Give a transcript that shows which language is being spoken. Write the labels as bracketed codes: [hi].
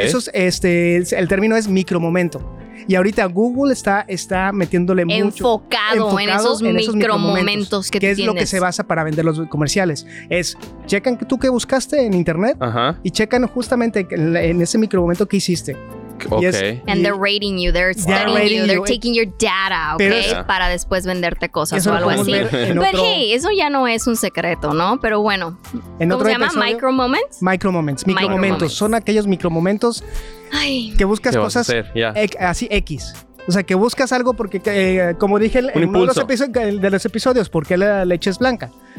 [es] Eso es, el término es micromomento. Y ahorita Google está metiéndole enfocado en esos micromomentos que tienes. Que es lo que se basa para vender los comerciales. Es, checan tú qué buscaste en internet. Ajá. Y checan justamente en ese micromomento qué hiciste. [en] Okay. Yes. And they're rating you, they're studying you, they're taking your data, okay? [es] Pero, para después venderte cosas o algo así. Pero hey, eso ya no es un secreto, ¿no? Pero bueno, en ¿cómo otro se episodio? Llama? Micromoments. Micromoments, micromomentos. Micro son aquellos micromomentos que buscas cosas así X. O sea, que buscas algo porque, como dije en uno de los episodios, ¿por qué la leche es blanca?